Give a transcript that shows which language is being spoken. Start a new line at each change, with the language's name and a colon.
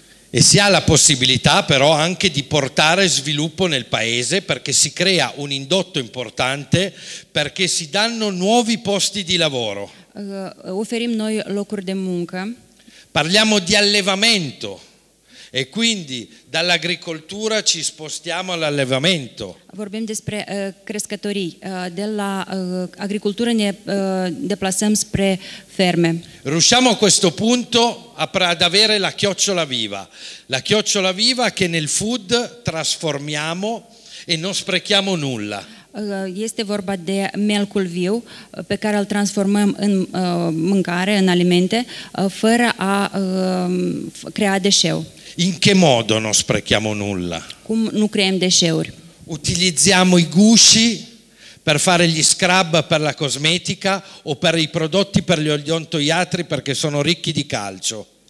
Italian: E si ha la possibilità però anche di portare sviluppo nel paese perché si crea un indotto importante, perché si danno nuovi posti di lavoro.
Romanian: Oferim noi locuri de muncă.
Italian: Parliamo di allevamento e quindi dall'agricoltura ci spostiamo all'allevamento.
Romanian: Vorbim despre crescătorii. De la agricultură ne deplasăm spre ferme.
Italian: Riusciamo a questo punto ad avere la chiocciola viva. La chiocciola viva che nel food trasformiamo e non sprechiamo nulla.
Romanian: Este vorba de mielcul viu pe care îl transformăm în mâncare, în alimente, fără a crea deșeu.
Italian: In che modo non sprechiamo nulla?
Romanian: Cum nu creăm deșeuri?
Italian: Utilizziamo i gusci per fare gli scrub per la cosmetica o per i prodotti per gli odontoiatri perché sono ricchi di calcio.